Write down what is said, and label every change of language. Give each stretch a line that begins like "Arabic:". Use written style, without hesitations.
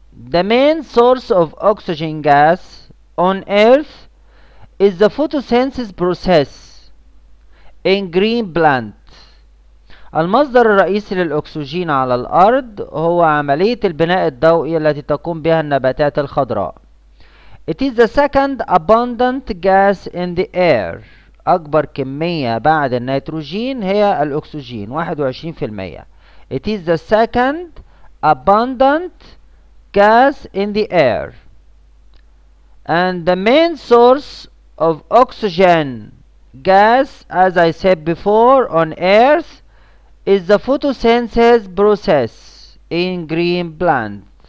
English: The main source of oxygen gas on earth is the photosynthesis process in green plant.
Arabic: المصدر الرئيسي للأكسجين على الأرض هو عملية البناء الضوئي التي تقوم بها النباتات الخضراء.
English: It is the second abundant gas in the air.
Arabic: أكبر كمية بعد النيتروجين هي الأكسجين 21%.
English: It is the second abundant gas in the air. And the main source of oxygen gas, as I said before, on Earth is the photosynthesis process in green plant.